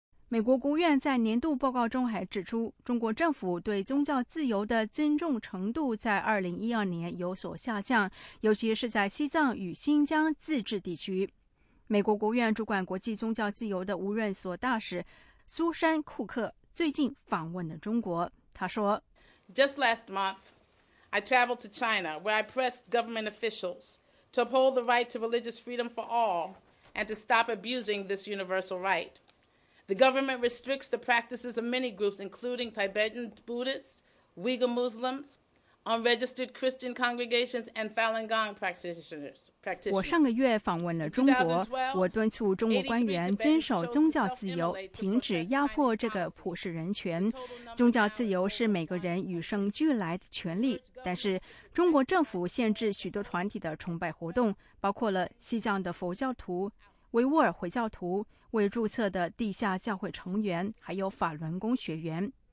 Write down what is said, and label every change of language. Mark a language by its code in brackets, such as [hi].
[zh] 美国国务院在年度报告中还指出，中国政府对宗教自由的尊重程度在2012年有所下降，尤其是在西藏与新疆自治地区。美国国务院主管国际宗教自由的无任所大使苏珊·库克最近访问了中国，他说 [en] Just last month, I traveled to China where I pressed government officials to uphold the right to religious freedom for all and to stop abusing this universal right. The government restricts the practices of many groups, including Tibetan Buddhists, Uyghur Muslims, unregistered Christian congregations and Falun Gong practitioners. [zh] 我上个月访问了中国，我敦促中国官员遵守宗教自由，停止压迫这个普世人权。宗教自由是每个人与生俱来的权利，但是中国政府限制许多团体的崇拜活动，包括了西藏的佛教徒、维吾尔回教徒、未注册的地下教会成员，还有法轮功学员。